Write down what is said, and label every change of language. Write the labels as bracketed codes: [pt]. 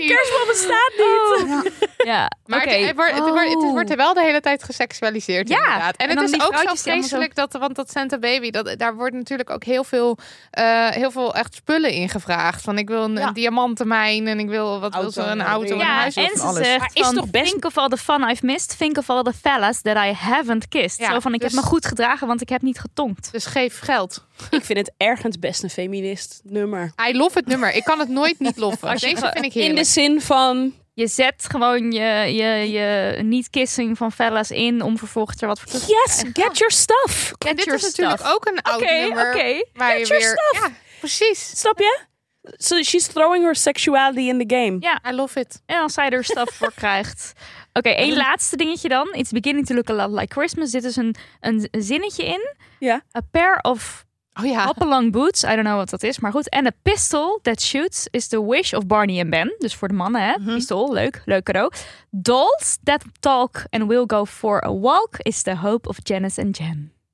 [nl] De kerstman bestaat niet. Maar het wordt er wel de hele tijd geseksualiseerd inderdaad. En het is ook zo vreselijk, dat Santa Baby, daar wordt natuurlijk ook heel veel echt spullen in gevraagd. Van ik wil een diamantenmijn en ik wil een auto, een huis. En ze zegt, [en] think of all the fun I've missed, think of all the fellas that I haven't kissed. [nl] Ja, zo van, ik heb me goed gedragen, want ik heb niet getonkt. Dus geef geld. Ik vind het ergens best een feminist nummer. [en] I love [nl] het nummer. Ik kan het nooit niet loffen. Deze vind ik heerlijk. In de zin van... Je zet gewoon je niet-kissing van fellas in om vervolgens er wat voor te [en] doen. Yes, get your stuff. [nl] En dit [en] your [nl] is natuurlijk [en] stuff. [nl] Ook een oud [en] okay, [nl] nummer. Oké, [en] okay. Get your stuff. [nl] Ja, precies. Snap je? [en] So she's throwing her sexuality in the game. Ja, I love it. [nl] En als zij er stuff voor krijgt. Oké, één laatste dingetje dan. [en] It's beginning to look a lot like Christmas. [nl] Dit is een zinnetje in. Ja. [en] A pair of... Hopalong boots, I don't know what dat is, [nl] maar goed. [en] En a pistol that shoots is the wish of Barney and Ben. [nl] Dus voor de mannen, hè. [en] Mm-hmm. [nl] Pistool, leuk cadeau. [en] Dolls that talk and will go for a walk is the hope of Janice and Jen.